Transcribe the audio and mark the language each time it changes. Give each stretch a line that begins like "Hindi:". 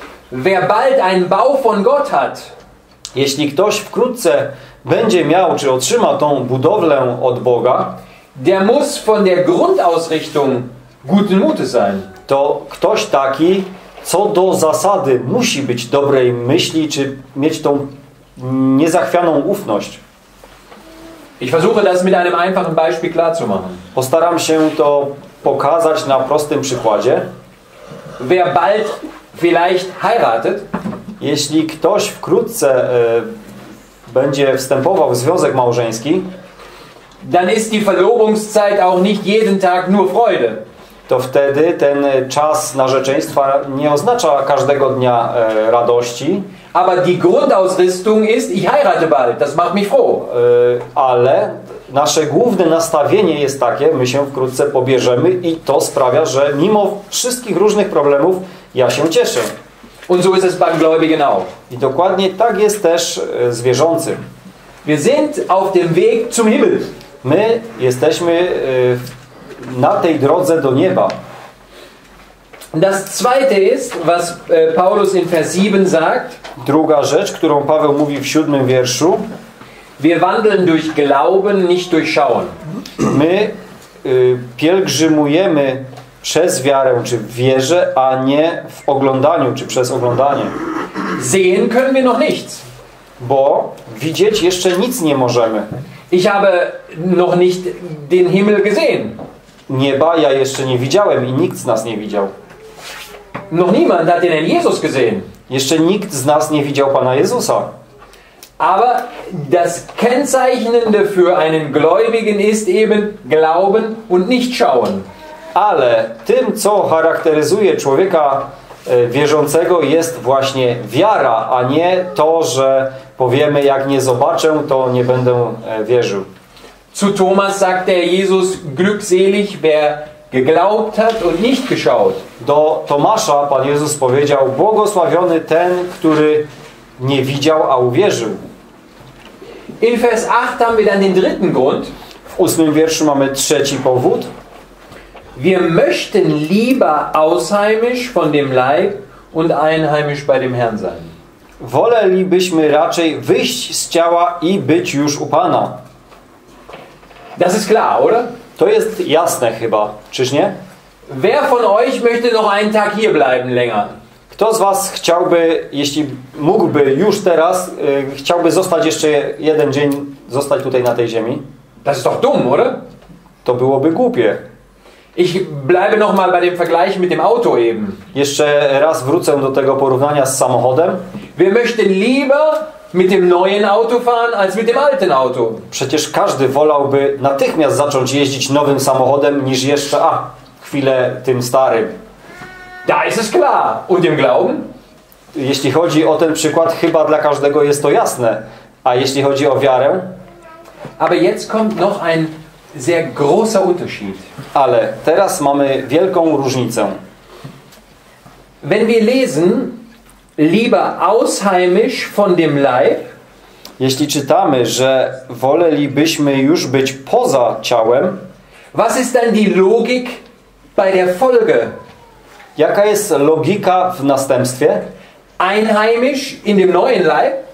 German: wer bald einen Bau von Gott hat,
Polish: jeśli ktoś wkrótce będzie miał czy otrzyma tą budowlę od Boga,
German: der muss von der Grundausrichtung guten Mutes sein.
Polish: To ktoś taki, co do zasady, musi być dobrej myśli czy mieć tą niezachwianą ufność.
German: Ich versuche das mit einem einfachen Beispiel klar zu machen.
Polish: Postaram się to pokazać na prostym przykładzie.
German: Wer bald vielleicht heiratet,
Polish: jeśli ktoś wkrótce będzie wstępował w związek małżeński,
German: dann ist die Verlobungszeit auch nicht jeden Tag nur Freude.
Polish: To wtedy ten czas narzeczeństwa nie oznacza każdego dnia radości.
German: Aber die Grundausrüstung ist, ich heirate bald, das macht mich froh.
Polish: Ale nasze główne nastawienie jest takie, my się wkrótce pobierzemy i to sprawia, że mimo wszystkich różnych problemów ja się cieszę.
German: Und so ist es beim Gläubigen auch.
Polish: I dokładnie tak jest też z wierzącym.
German: Wir sind auf dem Weg zum Himmel.
Polish: My jesteśmy na tej drodze do nieba.
German: Das zweite ist, was Paulus in Vers 7 sagt.
Polish: Druga rzecz, którą Paweł mówi w 7 wierszu.
German: Wir wandeln durch Glauben, nicht durch Schauen.
Polish: My pielgrzymujemy przez wiarę, czy w wierze, a nie w oglądaniu, czy przez oglądanie.
German: Sehen können wir noch nichts.
Polish: Bo widzieć jeszcze nic nie możemy.
German: Ich habe noch nicht den Himmel gesehen.
Polish: Nieba ja jeszcze nie widziałem i nikt z nas nie widział.
German: Noch niemand hat den Jesus gesehen.
Polish: Jeszcze nikt z nas nie widział Pana Jezusa.
German: Aber das Kennzeichnende für einen Gläubigen ist eben Glauben und nicht Schauen.
Polish: Ale tym, co charakteryzuje człowieka wierzącego, jest właśnie wiara, a nie to, że powiemy, jak nie zobaczę, to nie będę wierzył.
German: Zu Thomas sagt der Jesus, glückselig, wer geglaubt hat und nicht geschaut.
Polish: Do Tomasza Pan Jezus powiedział, błogosławiony ten, który nie widział, a uwierzył.
German: In Vers 8 haben wir dann den dritten Grund.
Polish: W 8 wierszu mamy trzeci powód.
German: Wir möchten lieber ausheimisch von dem Leib und einheimisch bei dem Herrn sein.
Polish: Wolelibyśmy raczej wyjść z ciała i być już u Pana.
German: Das ist klar, oder?
Polish: To jest jasne chyba, czyż nie?
German: Wer von euch möchte noch einen Tag hier bleiben länger?
Polish: Kto z was chciałby, jeśli mógłby już teraz, chciałby zostać jeszcze jeden dzień, zostać tutaj na tej ziemi?
German: Das ist doch dumm, oder?
Polish: To byłoby głupie.
German: Ich bleibe noch mal bei dem Vergleich mit dem Auto eben.
Polish: Jeszcze raz wrócę do tego porównania z samochodem.
German: Wir möchten lieber mit dem neuen Auto fahren als mit dem alten Auto.
Polish: Przecież każdy wolałby natychmiast zacząć jeździć nowym samochodem niż jeszcze chwilę tym starym.
German: Da ist es klar. Und im Glauben?
Polish: Jeśli chodzi o ten przykład, chyba dla każdego jest to jasne. A jeśli chodzi o wiarę?
German: Aber jetzt kommt noch ein sehr großer Unterschied.
Polish: Ale teraz mamy wielką różnicę.
German: Wenn wir lesen lieber ausheimisch von dem Leib,
Polish: jeśli czytamy, że wolelibyśmy już być poza ciałem,
German: was ist denn die Logik bei der Folge?
Polish: Jaka jest logika w następstwie?
German: Einheimisch in dem neuen Leib?